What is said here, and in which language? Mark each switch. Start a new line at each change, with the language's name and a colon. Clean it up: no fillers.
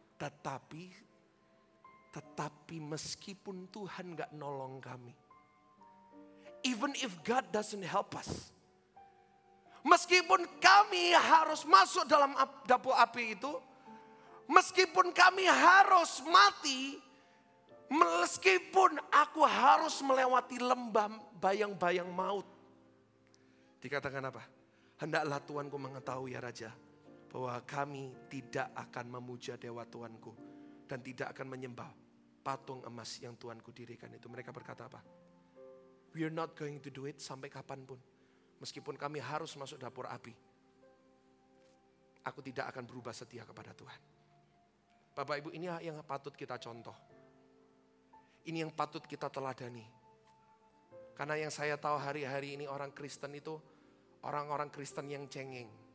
Indonesian: Tetapi meskipun Tuhan gak nolong kami,
English: even if God doesn't help us,
Indonesian: meskipun kami harus masuk dalam dapur api itu, meskipun kami harus mati, meskipun aku harus melewati lembah bayang-bayang maut. Dikatakan apa? Hendaklah Tuanku mengetahui ya Raja, bahwa kami tidak akan memuja dewa Tuanku dan tidak akan menyembah patung emas yang Tuanku dirikan itu. Mereka berkata apa?
English: We are not going to do it
Indonesian: sampai kapanpun. Meskipun kami harus masuk dapur api, aku tidak akan berubah setia kepada Tuhan. Bapak Ibu, ini yang patut kita contoh. Ini yang patut kita teladani. Karena yang saya tahu hari-hari ini orang Kristen itu orang-orang Kristen yang cengeng.